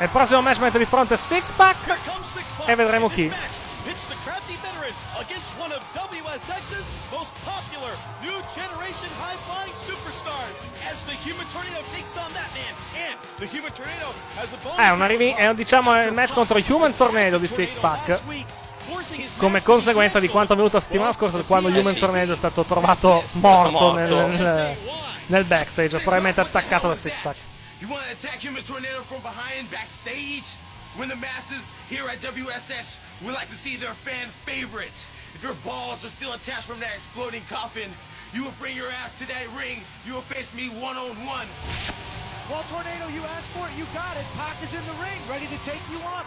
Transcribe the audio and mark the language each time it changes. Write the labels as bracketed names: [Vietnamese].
[Italian] E il prossimo match mette di fronte Six Pack. E vedremo chi. [English] It's the crafty veteran against one of WSX's most popular new generation high-flying superstars. As the Human Tornado takes on that man, and the Human Tornado has a bonus. [Italian] Il match contro il Human Tornado di Six Pack. Come conseguenza di quanto avvenuto la settimana scorsa, quando Human Tornado è stato trovato morto nel backstage, probabilmente attaccato da Six Pack. [English] You want to attack Human Tornado from behind backstage? When the masses here at WSS would like to see their fan favorite. If your balls are still attached from that exploding coffin, you will bring your ass to that ring. You will face me one on one. Well, Tornado, you asked for it, you got it. Pac is in the ring, ready to take you on.